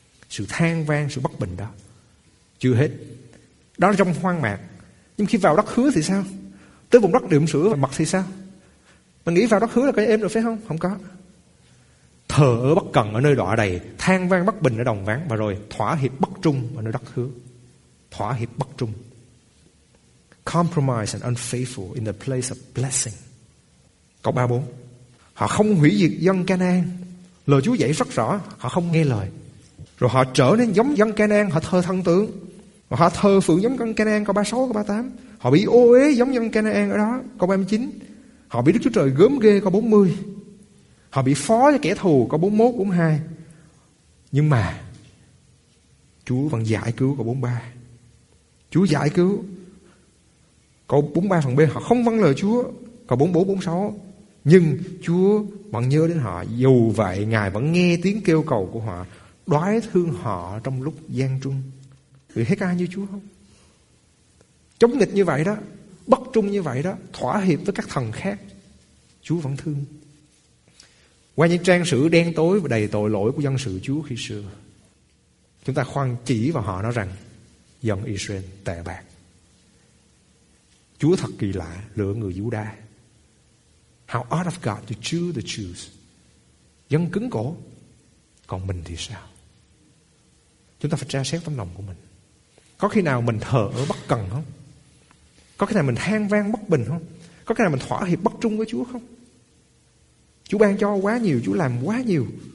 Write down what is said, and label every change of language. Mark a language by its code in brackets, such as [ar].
[vi] sự than van, sự bất bình đó. Chưa hết, đó là trong hoang mạc. Nhưng khi vào đất hứa thì sao? Tới vùng đất đượm sữa và mật thì sao? Mình nghĩ vào đất hứa là cái êm rồi phải không? Không có. Thờ ở bất cần ở nơi đọa đầy, than van bất bình ở đồng vắng, và rồi thỏa hiệp bất trung ở nơi đất hứa. Thỏa hiệp bất trung. [en] Compromise and unfaithful in the place of blessing. [vi] Câu 3-4. Họ không hủy diệt dân Canaan. Lời Chúa dạy rất rõ, họ không nghe lời. Rồi họ trở nên giống dân Canaan, họ thờ thần tượng. Và họ thờ phượng giống dân Canaan, câu 36, câu 38. Họ bị ô uế giống dân Canaan ở đó, câu 39. Họ bị Đức Chúa Trời gớm ghê, câu 40. Họ bị phó cho kẻ thù, câu 41, 42. Nhưng mà Chúa vẫn giải cứu, câu 43. Chúa giải cứu. Câu 43 phần B, họ không vâng lời Chúa, câu 44, 46. Nhưng Chúa vẫn nhớ đến họ. Dù vậy, Ngài vẫn nghe tiếng kêu cầu của họ, đoái thương họ trong lúc gian trung. Vì thấy ai như Chúa không? Chống nghịch như vậy đó, bất trung như vậy đó, thỏa hiệp với các thần khác, Chúa vẫn thương. Qua những trang sử đen tối và đầy tội lỗi của dân sự Chúa khi xưa, chúng ta khoan chỉ vào họ nói rằng dân Israel tệ bạc. Chúa thật kỳ lạ, lựa người Giu-đa. [en] How odd of God to choose the Jews. [vi] Dân cứng cổ, còn mình thì sao? Chúng ta phải tra xét tấm lòng của mình. Có khi nào mình thờ ở bất cần không? Có khi nào mình than van bất bình không? Có khi nào mình thỏa hiệp bất trung với Chúa không? Chúa ban cho quá nhiều, Chúa làm quá nhiều.